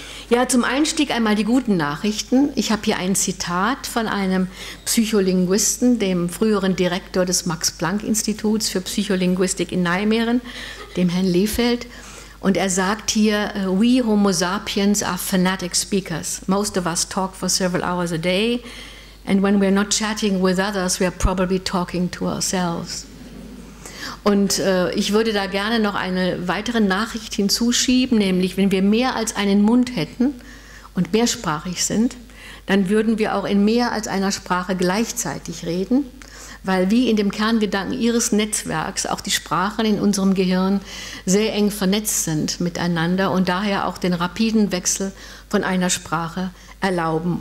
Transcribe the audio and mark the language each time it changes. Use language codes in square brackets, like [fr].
[de] Ja, zum Einstieg einmal die guten Nachrichten. Ich habe hier ein Zitat von einem Psycholinguisten, dem früheren Direktor des Max-Planck-Instituts für Psycholinguistik in Nijmegen, dem Herrn Lehfeld. Und er sagt hier, [en] we homo sapiens are fanatic speakers. Most of us talk for several hours a day. And when we're not chatting with others, we are probably talking to ourselves. [de] Und ich würde da gerne noch eine weitere Nachricht hinzuschieben, nämlich wenn wir mehr als einen Mund hätten und mehrsprachig sind, dann würden wir auch in mehr als einer Sprache gleichzeitig reden. Weil wie in dem Kerngedanken Ihres Netzwerks auch die Sprachen in unserem Gehirn sehr eng vernetzt sind miteinander und daher auch den rapiden Wechsel von einer Sprache erlauben.